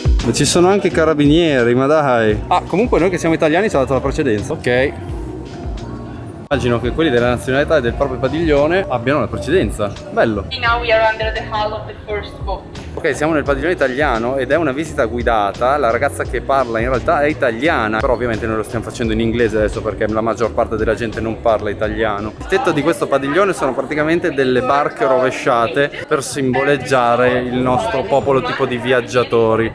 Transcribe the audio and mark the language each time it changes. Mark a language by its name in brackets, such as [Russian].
[Italian] Ci sono anche carabinieri, ma dai. Ah, comunque noi che siamo italiani ci ha dato la precedenza. Ok. Immagino che quelli della nazionalità e del proprio padiglione abbiano la precedenza. Bello. [English] Now we are under the hall of the first boat. [Italian] Ok, siamo nel padiglione italiano ed è una visita guidata. La ragazza che parla in realtà è italiana, però ovviamente noi lo stiamo facendo in inglese adesso perché la maggior parte della gente non parla italiano. Il tetto di questo padiglione sono praticamente delle barche rovesciate per simboleggiare il nostro popolo tipo di viaggiatori.